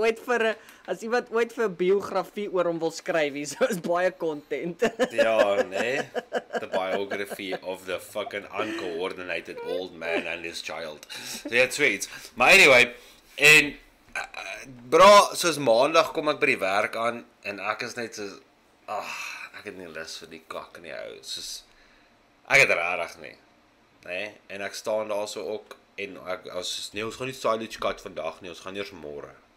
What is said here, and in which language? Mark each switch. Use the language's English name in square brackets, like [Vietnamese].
[Afrikaans] As iemand ooit vir biografie oor hom wil skryf, hier so is baie content. Ja, nee. [English] The biography of the fucking uncoordinated old man and his child. So, yeah, sweet. [Afrikaans] Maar anyway, en bra, soos Maandag kom ek by die werk aan, en ek is net soos, ach, ek het nie lus vir die kak nie, ou. Soos, ek het rarig nie. Nee, en ek staan daar so ook, en ek, soos, nee, ons gaan nie silage cut vandag nie, ons gaan eers môre.